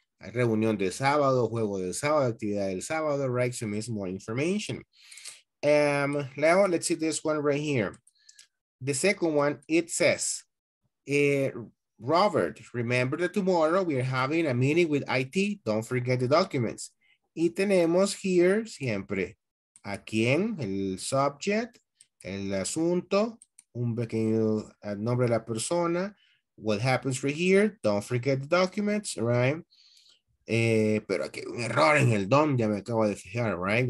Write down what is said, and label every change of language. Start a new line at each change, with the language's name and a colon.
Spanish: Hay reunión de sábado, juego del sábado, actividad del sábado, right?
English: So, means more information. Leo, let's see this one right here. The second one, it says, Robert, remember that tomorrow we are having a meeting with IT. Don't forget the documents.
Spanish: Y tenemos here siempre a quién, el subject, el asunto, un pequeño nombre de la persona.
English: What happens right here? Don't forget the documents, right?
Spanish: Pero aquí hay un error en el don, ya me acabo de fijar, right?